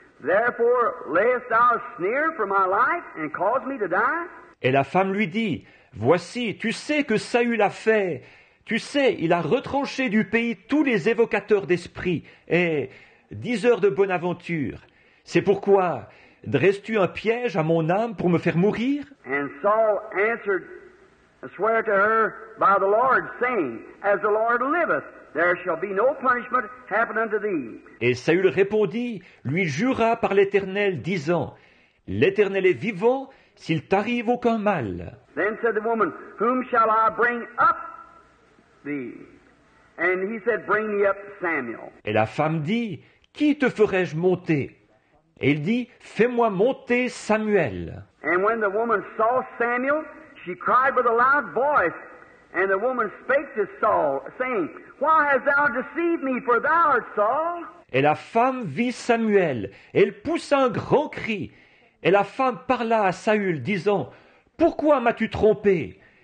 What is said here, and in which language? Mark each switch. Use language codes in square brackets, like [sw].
[en] Therefore layest thou a snare for my life and cause me to die? [fr] Et la femme lui dit, Voici, tu sais que Saül a fait. Tu sais, il a retranché du pays tous les évocateurs d'esprits et diseurs de bonne aventure. C'est pourquoi... Dresses-tu un piège à mon âme pour me faire mourir? [en] And Saul answered and swore to her by the Lord, saying, As the Lord liveth, there shall be no punishment happen unto thee. [fr] Et Saül répondit, lui jura par l'Éternel, disant, L'Éternel est vivant, s'il t'arrive aucun mal. [en] Then said the woman, Whom shall I bring up thee? And he said, Bring me up Samuel. [fr] Et la femme dit, Qui te ferai-je monter? Et il dit, « Fais-moi monter Samuel. » [en] And when the woman saw Samuel, she cried with a loud voice. And the woman spake to Saul, saying, « Why hast thou deceived me, for thou art Saul? » [fr] Et la femme vit Samuel, et elle poussa un grand cri. Et la femme parla à Saül, disant, « Pourquoi m'as-tu trompé?